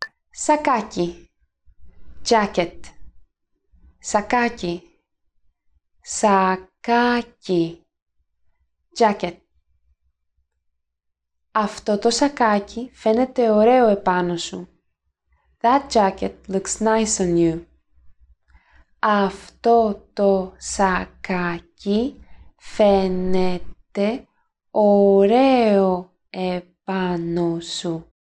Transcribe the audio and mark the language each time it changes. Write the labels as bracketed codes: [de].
[el] Σακάκι. [en] Jacket. [el] Σακάκι. Σακάκι. [en] Jacket. [el] Αυτό το σακάκι φαίνεται ωραίο επάνω σου. [en] That jacket looks nice on you. [el] Αυτό το σακάκι φαίνεται ωραίο επάνω σου.